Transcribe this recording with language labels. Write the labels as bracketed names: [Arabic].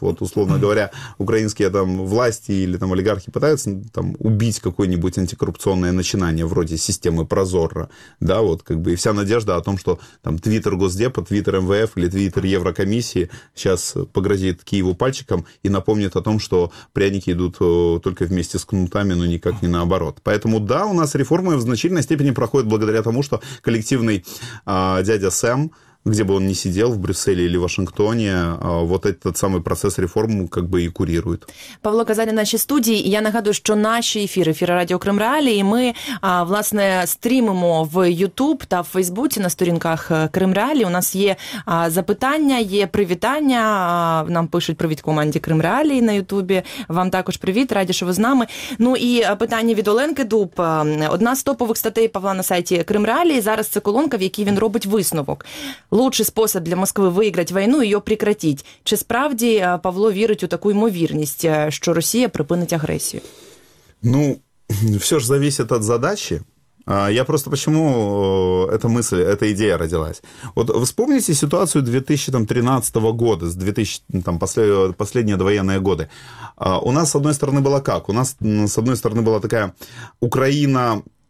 [Russian] Вот, условно говоря, украинские там власти или там олигархи пытаются там убить какое-нибудь антикоррупционное начинание вроде системы Прозорро, да, вот как бы и вся надежда о том, что там твиттер Госдепа, твиттер МВФ или твиттер Еврокомиссии сейчас погрозит Киеву пальчиком и напомнит о том, что пряники идут только вместе с кнутами, но никак не наоборот. Поэтому да, у нас реформы в значительной степени проходят благодаря тому, что коллективный дядя Сэм, где бы он ни сидел, в Брюсселі или в Вашингтоні, вот этот самый процес реформ как бы и курирует. [Ukrainian] Павло Казаря, наші студії. Я нагадую, що наші ефіри, ефіри Радіо Крим Реалії, ми, власне, стрімимо в YouTube та в Фейсбуці на сторінках Крим Реалії. У нас є запитання, є привітання. Нам пишуть привіт команді Крим Реалії на YouTube. Вам також привіт, раді, що ви з нами. Ну і питання від Оленки Дуб. Одна з топових статей Павла на сайті Крим Реалії. Зараз це колонка, в якій він робить висновок. Лучший спосіб для Москви виграти війну – її прекратити. Чи справді Павло вірить у таку ймовірність, що Росія припинить агресію? [Russian] Ну, все же зависит от задачи. Я просто почему эта мысль, эта идея родилась. Вот вспомните ситуацию 2013 года, с 2000, там, последние довоенные годы. У нас, с одной стороны, было как? У нас, с одной стороны, была такая Украина...